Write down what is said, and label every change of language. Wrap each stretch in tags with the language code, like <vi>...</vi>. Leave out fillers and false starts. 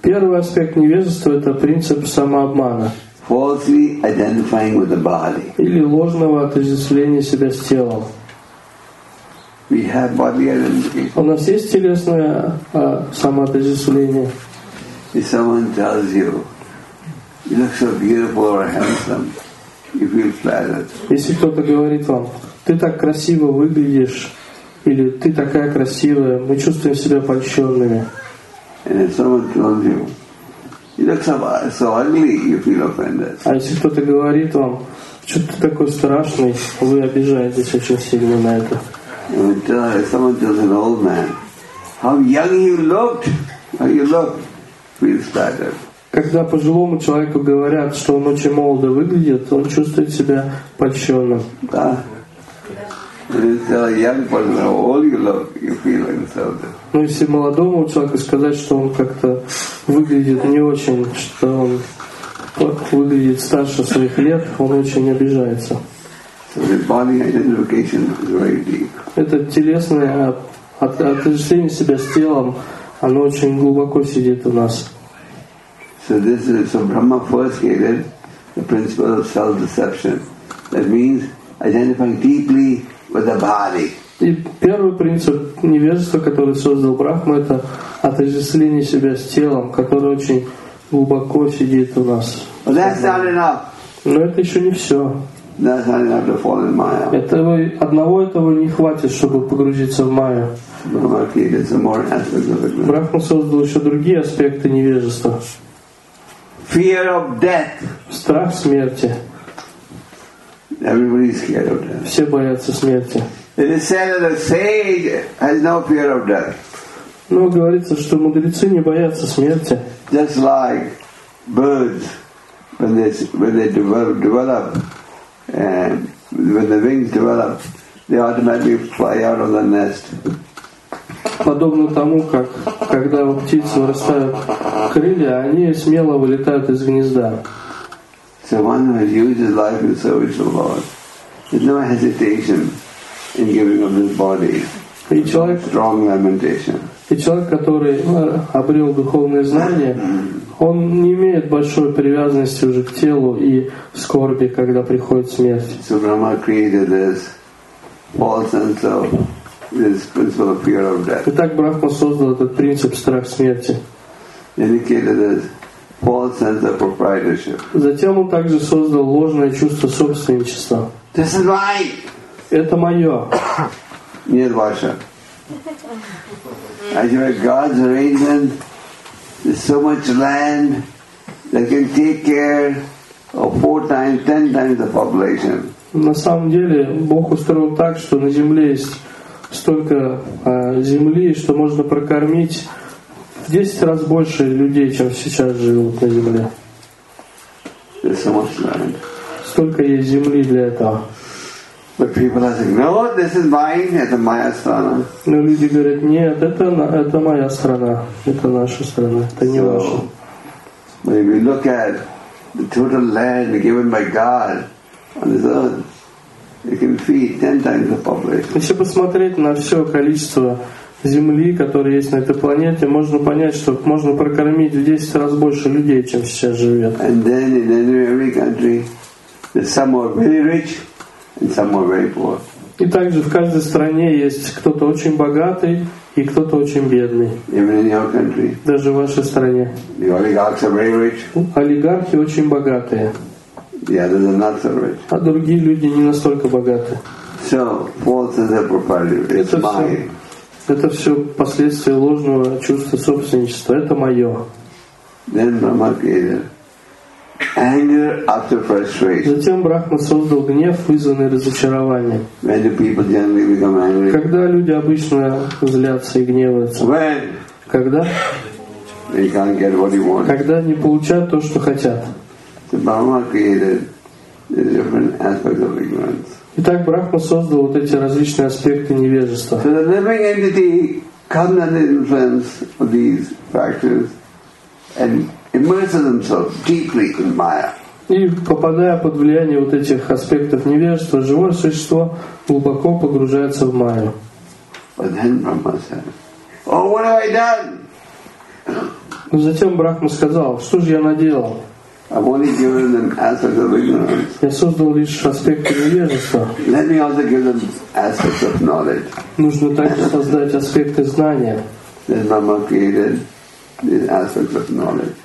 <ru>Первый аспект невежества — это принцип самообмана.</ru> <en>Falsely identifying with the body.</en> <ru>Или ложного отождествления себя с телом.</ru> <en>We have body identity.</en> <ru>У нас есть телесное самоотождествление.</ru> <en>If someone tells you, you look so beautiful or handsome, you feel flattered.</en> <ru>Если кто-то говорит вам, ты так красиво выглядишь, или ты такая красивая, мы чувствуем себя польщенными.</ru> <en>And if someone tells you, you look so ugly, you feel offended.</en> <ru>А если кто-то говорит вам, что ты такой страшный, вы обижаетесь очень сильно на это.</ru> <en>If someone tells an old man, how young you looked, how you look, feel flattered.</en> <ru>Когда пожилому человеку говорят, что он очень молодо выглядит, он чувствует себя польщенным. Да. Но если молодому человеку сказать, что он как-то выглядит не очень, что он выглядит старше своих лет, он очень обижается. Это телесное отождествление себя с телом, оно очень глубоко сидит у нас.</ru> <en>So Brahma first created the principle of self-deception. That means identifying deeply with the body.</en> <ru>И первый принцип невежества, который создал Брахма, это отождествление себя с телом, которое очень глубоко сидит у нас. Но это еще не все. Этого, одного этого не хватит, чтобы погрузиться в майю. Брахма создал еще другие аспекты невежества.</ru> <en>Fear of death.</en> <ru>Страх смерти.</ru> <en>Everybody is scared of death.</en> <ru>Все боятся смерти.</ru> <en>It is said that a sage has no fear of death.</en> <ru>Но говорится, что мудрецы не боятся смерти.</ru> <en>Just like birds, when they develop, when the wings develop, they automatically fly out of the nest.</en> <ru>Подобно тому, как когда у птиц вырастают крылья, они смело вылетают из гнезда.</ru> <en>So one who uses his life in service of the Lord, there's no hesitation in giving up his body.</en> <ru>Человек,</ru> <en>strong lamentation.</en> <ru>И человек, который обрел духовные знания, он не имеет большой привязанности уже к телу и скорби, когда приходит смерть.</ru> <en>So Brahma created this false sense of this principle of fear of death.</en> <ru>Итак, Брахма создал этот принцип страх смерти.</ru> <en>Indicated this false sense of proprietorship.</en> <ru>Затем он также создал ложное чувство собственничества.</ru> <en>This is mine.</en> <ru>Это мое. Нет, ваше.</ru> <en>As you are God's arrangement, there's so much land that can take care of 4 times, 10 times the population.</en> <ru>На самом деле, Бог устроил так, что на земле есть столько земли, что можно прокормить в 10 раз больше людей, чем сейчас живут на земле.</ru> <en>There's so much land.</en> <ru>Столько есть земли для этого.</ru> <en>But people are saying, "No, this is mine.</en> <ru>Это моя страна." Но люди говорят, нет, это моя страна, это наша страна, это не ваша.</ru> <en>But if you look at the total land given by God on this earth, it can feed 10 times the population.</en> <ru>Если посмотреть на все количество земли, которая есть на этой планете, можно понять, что можно прокормить в 10 раз больше людей, чем сейчас живет.</ru> <en>And then in every country, there's some are very rich. And some are very poor.</en> <ru>И также в каждой стране есть кто-то очень богатый и кто-то очень бедный.</ru> <en>Even in your country.</en> <ru>Даже в вашей стране.</ru> <en>The oligarchs are very rich.</en> <ru>Олигархи очень богатые.</ru> <en>The others are not so rich.</en> <ru>А другие люди не настолько богаты.</ru> <en>So, false is a proprietorship. It's mine.</en> <ru>Это все последствия ложного чувства собственничества. Это мое.</ru> <en>Then Brahma created. Anger after frustration.</en> <ru>Затем Брахма создал гнев, вызванный разочарованием.</ru> <en>When do people generally become angry?</en> <ru>Когда люди обычно злятся и гневаются?</ru> <en>When?</en> <ru>Когда?</ru> <en>They can't get what they want.</en> <ru>Когда не получают то, что хотят.</ru> <en>So Brahma created different aspects of ignorance.</en> <ru>Итак, Брахма создал вот эти различные аспекты невежества.</ru> <en>So the living entity comes under the influence of these factors and immerse themselves deeply in Maya.</en> <ru>И попадая под влияние вот этих аспектов невежества, живое существо глубоко погружается в Майю.</ru> <en>But then Brahma said, "Oh, what have I done?"</en> <ru>Но затем Брахма сказал, что же я наделал?</ru> <en>I've only given them aspects of ignorance.</en> <ru>Я создал лишь аспекты невежества.</ru> <en>Let me also give them aspects of knowledge.</en> <ru>Нужно также создать аспекты знания.</ru> <en>Then Brahma created these aspects of knowledge.</en>